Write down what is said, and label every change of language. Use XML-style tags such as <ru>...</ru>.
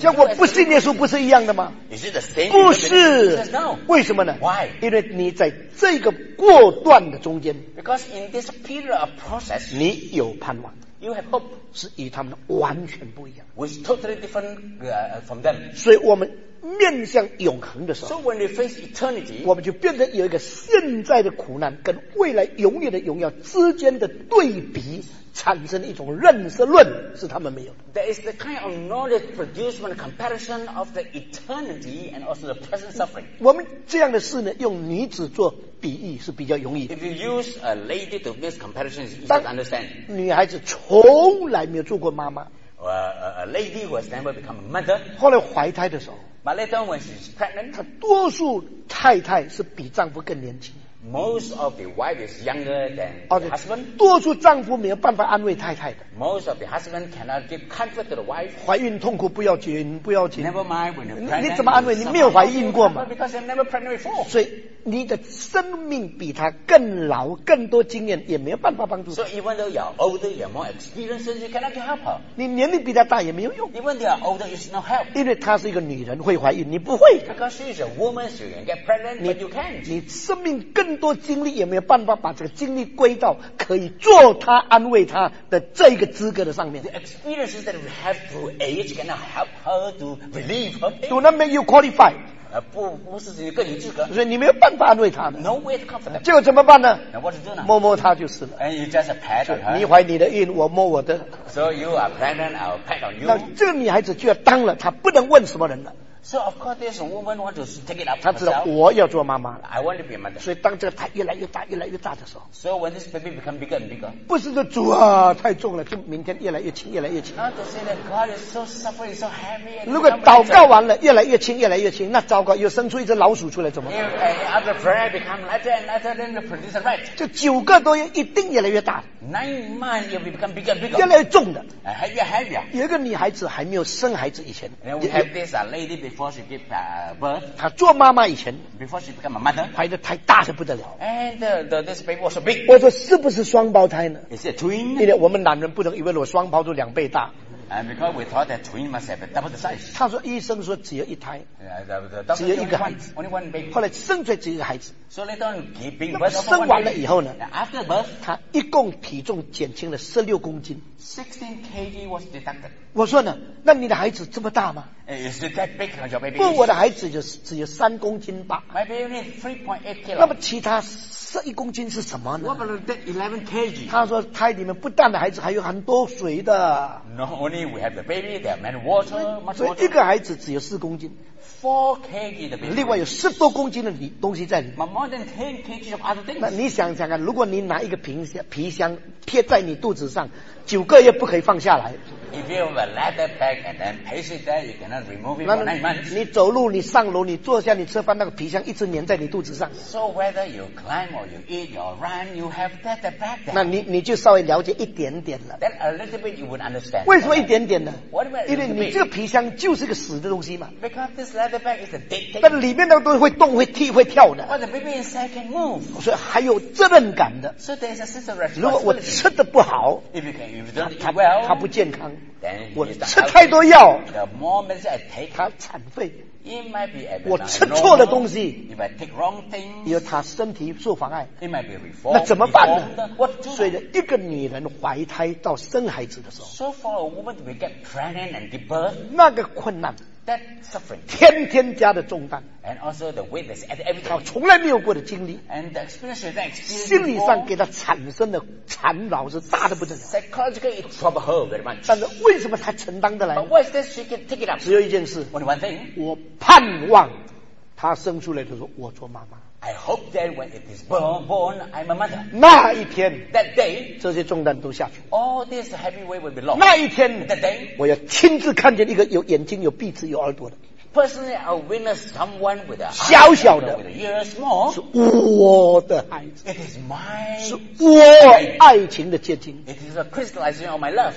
<zh>像我不信耶稣，不是一样的吗</zh> <en>？Is it the same?</en> <zh>不是。</zh> <en>No.</en> <zh>为什么呢</zh> <en>？Why?</en> <zh>因为你在这个过段的中间。</zh> <en>Because in this period of process,</en> <zh>你有盼望。</zh> <en>You have hope.</en> <zh>是与他们完全不一样。</zh> <en>Was totally different from them.</en> <zh>所以我们。面向永恒的时候</zh> <en>so when we face eternity,</en> <zh>我们就变得有一个现在的苦难跟未来永远的荣耀之间的对比产生一种认识论是他们没有的</zh> <en>There is the kind of knowledge produced when comparison of the eternity and also the present suffering</en> <zh>我们这样的事呢用女子做比喻是比较容易的</zh> <en>If you use a lady to make comparison it's easy to understand</en> <zh>女孩子从来没有做过妈妈</zh> <en>a lady who has never become a mother</en> <zh>后来怀胎的时候</zh> <en>But later on when she's pregnant,</en> <zh>她多数太太是比丈夫更年轻。</zh> <en>Most of the wife is younger than the husband.</en> <zh>多数丈夫没有办法安慰太太的。</zh> <en>Most of the husband cannot give comfort to the wife.</en> <zh>怀孕痛苦不要紧，不要紧。</zh> <en>Never mind when you're pregnant.</en> <zh>你怎么安慰？你没有怀孕过嘛</zh> <en>？Because you've never pregnant before.</en> <zh>所以你的生命比她更老，更多经验，也没有办法帮助。</zh> <en>So even though you're older, you're more experienced, you cannot help her.</en> <zh>你年龄比她大也没有用。</zh> <en>Even though you're older, it's no help.</en> <zh>因为她是一个女人，会怀孕，你不会。</zh> <en>Because she's a woman, she can get pregnant, but you can't.</en> <zh>你生命更更多精力也没有办法把这个精力归到可以做他安慰他的这个资格的上面</zh> <en>The experiences that we have through age cannot help her to relieve her pain Do not make you qualify</en> <zh>不是自己更有资格所以你没有办法安慰他的</zh> <en>No way to comfort her</en> <zh>结果怎么办呢</zh> <en>Now what to do now</en> <zh>摸摸他就是了</zh> <en>And you just pat on her</en> <zh>你怀你的孕我摸我的</zh> <en>So you are pregnant I'll pat on you</en> <zh>那这个女孩子就要当了她不能问什么人了</zh> <en>So of course, this woman wants to take it up.</en> <zh>她知道我要做妈妈了。</zh> <en>I want to be a mother.</en> <zh>所以当这个胎越来越大、越来越大的时候</zh> <en>，So when this baby become bigger and bigger,</en> <zh>不是说主啊太重了，就明天越来越轻、越来越轻。</zh> <en>Not to say that God is so suffering, so heavy.</en> <zh>如果祷告完了，越来越轻、越来越轻，那糟糕，又生出一只老鼠出来怎么办</zh> <en>？If after prayer become lighter and lighter, then the produce a rat.</en> <zh>就九个多月一定越来越大。</zh> <en>9 months it will become bigger and bigger.</en> <zh>越来越重的。</zh> <en>Heavier, heavier.</en> <zh>有一个女孩子还没有生孩子以前</zh> <en>，Then we have this lady before. Before she give birth,</en> <zh>她做妈妈以前</zh> <en>，Before she become a mother,</en> <zh>怀的胎大得不得了。</zh> <en>And this baby was so big.</en> <zh>我说是不是双胞胎呢</zh> <en>？Is it twin?</en> <zh>因为我们男人不能以为我双胞都两倍大。</zh> <en>And because we thought that twin must have double the size.</en> <zh>他说医生说只有一胎，</zh> <en>yeah,</en> <zh>只有一个孩子</zh> <en>，Only one baby.</en> <zh>后来生出来只有一个孩子。</zh> <en>So later on, giving birth.</en> <zh>那生完了以后呢</zh> <en>？After birth,</en> <zh>他一共体重减轻了16公斤。</zh> <en>16 kg was deducted.</en> <zh>我说呢，那你的孩子这么大吗</zh> <en>？Is it that big on your baby?</en> <zh>不，我的孩子就只有3公斤吧。</zh> <en>My baby is 3.8 kg.</en> <zh>那么其他11公斤是什么呢</zh> <en>？What about that 11 kg?</en> <zh>他说胎里面不但的孩子还有很多水的。</zh> <en>No only. We have the baby. There are many water, much water.</en> <zh>所以一个孩子只有4公斤。</zh> <en>4 kg 的 baby.</en> <zh>另外有10多公斤的东西在里面。</zh> <en>More than 10 kg of other things.</en> <zh>那你想想看，如果你拿一个皮箱贴在你肚子上，9个月不可以放下来。</zh> <en>If you have a leather bag and then place it there, you cannot remove it for 9 months.</en> <zh>你走路，你上楼，你坐下，你吃饭，那个皮箱一直粘在你肚子上。</zh> <en>So whether you climb or you eat or run, you have that bag there.</en> <zh>那你就稍微了解一点点了。</zh> <en>Then a little bit you would understand.</en> <zh>为什么一点点呢？</zh> <en>What about</en> <zh>因为你这个皮箱就是个死的东西嘛。</zh> <en>Because this leather bag is a dead thing.</en> <zh>但里面那个东西会动、会踢、会跳的。</zh> <en>But the baby inside can move.</en> <zh>所以还有责任感的。</zh> <en>So there is a sense of responsibility.</en> <zh>如果我吃的不好</zh> <en>，If you can, if you don't eat well,</en> <zh>它不健康。</zh> <en>Then</en> <zh>我吃太多药</zh> <en>the more medicine I take,</en> <zh>他残废</zh> <en>it might be</en> <zh>我吃错了东西</zh> <en>if I take wrong things,</en> <zh>因为他身体受妨碍</zh> <en>it might be reformed,</en> <zh>那怎么办呢</zh> <en>reformed, what</en> <zh>所以一个女人怀胎到生孩子的时候</zh> <en>so for a woman to get pregnant and give birth,</en> <zh>那个困难</zh> <en>that suffering,</en> <zh>天天加的重担</zh> <en>and also the weight that's at every time,</en> <zh>他从来没有过的经历</zh> <en>and the experience that experience</en> <zh>心理上给他产生的缠绕是大的不得了</zh> <en>psychologically it troubled her very much</en> <zh>但是为什么他承担得来</zh> <en>but why is this she can take it up</en> <zh>只有一件事</zh> <en>only one thing</en> <zh>我盼望他生出来就说我做妈妈</zh> <en>I hope that when it is born I'm a mother</en> <zh>那一天</zh> <en>that day</en> <zh>这些重担都下去</zh> <en>all this heavy weight will be lost</en> <zh>那一天</zh> <en>that day</en> <zh>我要亲自看见一个有眼睛有鼻子有耳朵的</zh> <en>Personally, I witnessed someone with a heart,</en> <zh>小小的</zh> <en>with a year small,</en> <zh>是我的孩子</zh> <en>It is my</en> <zh>是我爱情的结晶</zh> <en>It is a crystallization of my love</en>